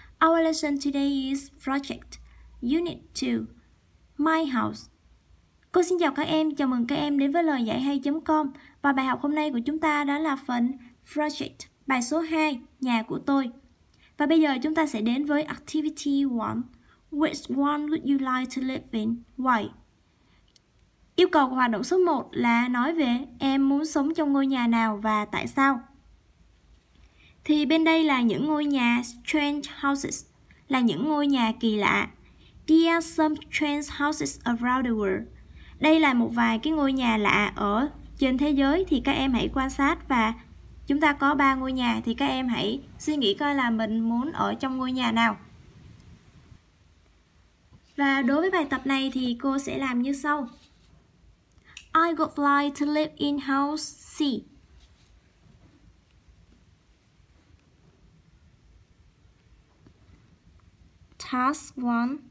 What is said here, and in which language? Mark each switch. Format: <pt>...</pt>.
<en>Our lesson today is Project Unit 2, My House.</en> <vi>Cô xin chào các em, chào mừng các em đến với loiyayhay.com. Và bài học hôm nay của chúng ta đó là phần Project, bài số 2, Nhà của tôi. Và bây giờ chúng ta sẽ đến với Activity 1,</vi> <en>Which one would you like to live in? Why?</en> <vi>Yêu cầu của hoạt động số 1 là nói về em muốn sống trong ngôi nhà nào và tại sao. Thì bên đây là những ngôi nhà</vi> <en>strange houses,</en> <vi>là những ngôi nhà kỳ lạ.</vi> <en>There are some strange houses around the world.</en> <vi>Đây là một vài cái ngôi nhà lạ ở trên thế giới, thì các em hãy quan sát. Và chúng ta có 3 ngôi nhà thì các em hãy suy nghĩ coi là mình muốn ở trong ngôi nhà nào. Và đối với bài tập này thì cô sẽ làm như sau.</vi> <en>I would like to live in house C. Task 1.</en>